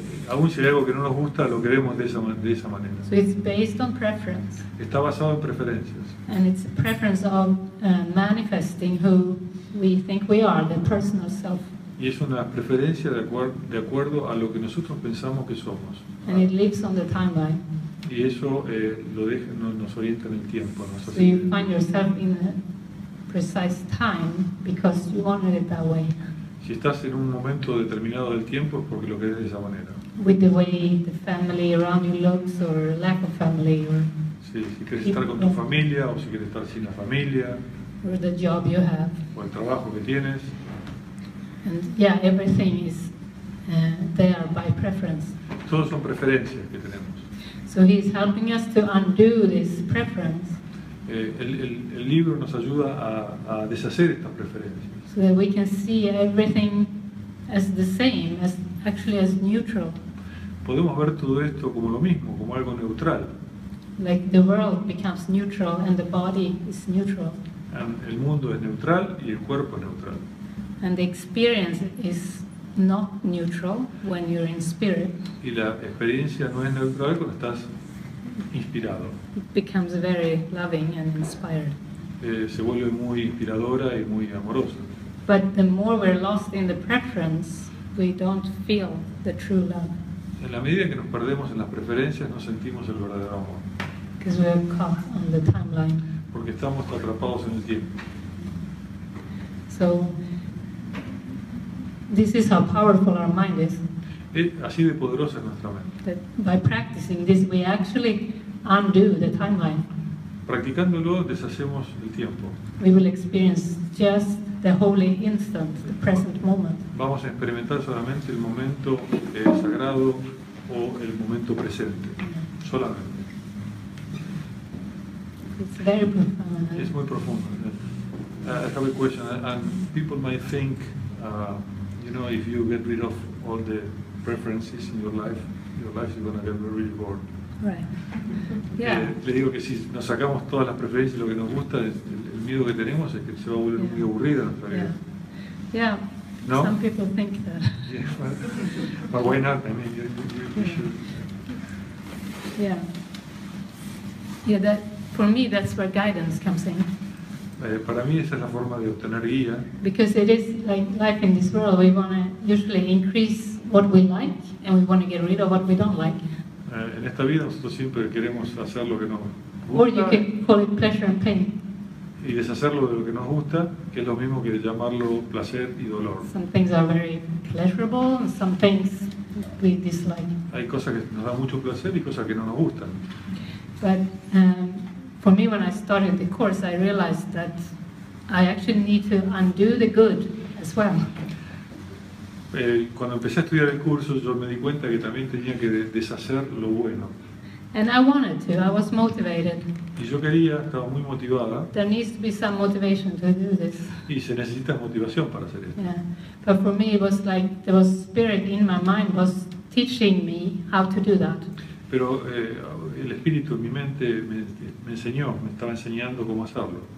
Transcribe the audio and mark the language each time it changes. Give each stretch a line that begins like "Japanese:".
Spanish: Aún si hay algo que no nos gusta, lo queremos de esa manera.
English: So it's based on preference.
Spanish: Está basado en preferencias.
English: And it's a preference of manifesting who we think we are, the personal self.
Spanish: Y es una preferencia de acuerdo a lo que nosotros pensamos que somos.
English: And it lives on the timeline.
Spanish: Y eso nos orienta en el tiempo.
English: So you find yourself in a precise time because you wanted it that way.
Spanish: Si estás en un momento determinado del tiempo es porque lo querés de esa manera.
English: With the way the family around you looks or lack of family or
Spanish: si quieres estar con tu familia o si quieres estar sin la familia.
English: Or the job you have.
Spanish: O el trabajo que tienes.
English: And yeah, everything is they are by preference.
Spanish: Todos son preferencias que tenemos.
English: So he's helping us to undo this preference.
Spanish: El libro nos ayuda a deshacer estas preferencias.
English: So that we can see everything as the same, as actually as neutral.
Spanish: Podemos ver todo esto como lo mismo, como algo neutral.
English: Like the world becomes neutral and the body is neutral.
Spanish: And el mundo es neutral y el cuerpo es neutral.
English: And the experience is not neutral when you're in spirit.
Spanish: Y la experiencia no es neutral cuando estás inspirado.
English: It becomes very loving and inspired.
Spanish: Se vuelve muy inspiradora y muy amorosa.
English: But the more we're lost in the preference, we don't feel the true love.
Spanish: En la medida que nos perdemos en las preferencias, no sentimos el verdadero amor.
English: Because we're caught on the timeline.
Spanish: Porque estamos atrapados en el tiempo.
English: So, this is how powerful our mind is.
Spanish: Así de poderosa es nuestra mente.
English: That by practicing this, we actually undo the timeline.
Spanish: Practicándolo, deshacemos el tiempo.
English: We will experience just the holy instant, the present moment.
Spanish: Vamos a experimentar solamente el momento sagrado o el momento presente, solamente.
English: It's very profound. It's very profound. I have a question. And people might think, you know, if you get rid of all the preferences in your life is going to get really bored. Right. Yeah.
Spanish: Le digo que si nos sacamos todas las preferencias, lo que nos gusta, el miedo que tenemos es que se va a volver muy aburrida nuestra vida.
English: Yeah.
Spanish: No?
English: Some people think that. Yeah, but why not? I mean, you should. Yeah. Yeah, that. For me, that's where guidance comes in.
Spanish: Para mí esa es la forma de obtener guía.
English: Because it is like life in this world, we want to usually increase what we like and we want to get rid of what we don't like.
Spanish: En esta vida nosotros siempre queremos hacer lo que nos gusta.
English: Or you can call it pleasure and pain.
Spanish: Y deshacerlo de lo que nos gusta, que es lo mismo que llamarlo placer y dolor.
English: Some things are very pleasurable and some things we dislike.
Spanish: Hay cosas que nos dan mucho placer y cosas que no nos gustan.
English: But for me, when I started the course, I realized that I actually need to undo the good as well.
Spanish: Cuando empecé a estudiar el curso, yo me di cuenta que también tenía que deshacer lo bueno.
English: And I wanted to. I was motivated.
Spanish: Y yo quería, estaba muy motivada.
English: There needs to be some motivation to do this.
Spanish: Y se necesita motivación para hacer esto.
English: Yeah. But for me, it was like there was spirit in my mind was teaching me how to do that.
Spanish: Pero el espíritu en mi mente me enseñó, me estaba enseñando cómo hacerlo.